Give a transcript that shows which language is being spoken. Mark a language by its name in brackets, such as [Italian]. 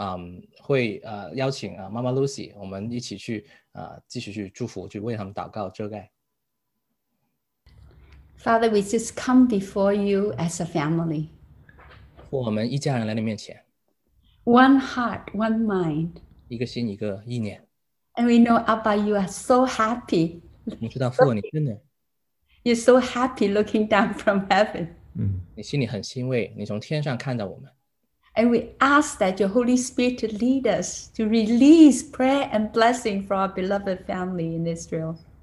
[Chinese] 就是我们要亲口作为西安的家人向着他们说阿舍真是我们的父亲，就是我们叫阿舍爸爸，还有我们的Sarah是我们真实的女儿，也是说西安的女儿Sarah。我们接下来会邀请妈妈 Lucy，我们一起去继续去祝福，去为他们祷告遮盖。 [English] Father, we just come before you as a family. [Chinese] 我们一家人来你面前。 [English] One heart, one mind. [Chinese] 一个心一个意念。 [English] And we know, Abba, you are so happy. [Chinese] 你知道父，你真的。 [English] You're so happy looking down from heaven. [Chinese] 你心里很欣慰，你从天上看到我们。 [English] And we ask that your Holy Spirit to lead us to release prayer and blessing for our beloved family in Israel.